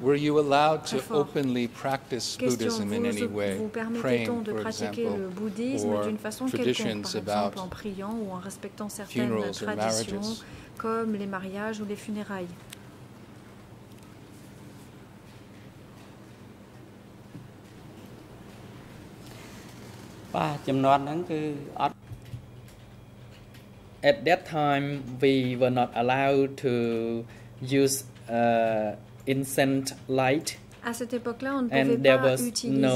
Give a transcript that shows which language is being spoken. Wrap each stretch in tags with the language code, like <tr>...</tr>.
<en>Were you allowed to openly practice Buddhism in any way?</en> <fr>Vous permettait-on de pratiquer le bouddhisme d'une façon quelconque, en priant ou en respectant certaines traditions comme les mariages ou les funérailles?</fr> <en>At that time, we were not allowed to use incense light.</en> <fr>À cette époque-là, on ne pouvait pas utiliser d'encens.</fr>